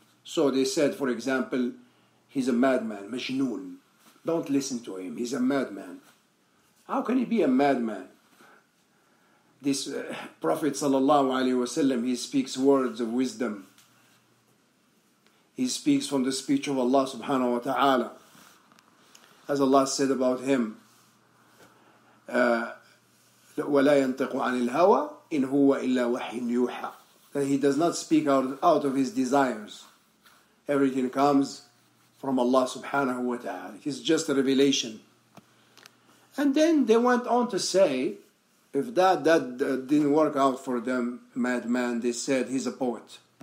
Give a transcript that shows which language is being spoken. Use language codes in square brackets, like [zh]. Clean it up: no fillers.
[en] So they said, for example, he's a madman, Majnoon. Don't listen to him, he's a madman. How can he be a madman? This Prophet sallallahu alaihi wasallam, he speaks words of wisdom. He speaks from the speech of Allah subhanahu wa ta'ala. As Allah said about him, [ar] وَلَا يَنْتَقُ عَنِ الْهَوَىٰ إِنْ هُوَ إِلَّا وَحِيٌّ يُوحَىٰ. [en] That he does not speak out of his desires. Everything comes from Allah subhanahu wa ta'ala. It is just a revelation. And then they went on to say, if that didn't work out for them, madman, they said, he's a poet.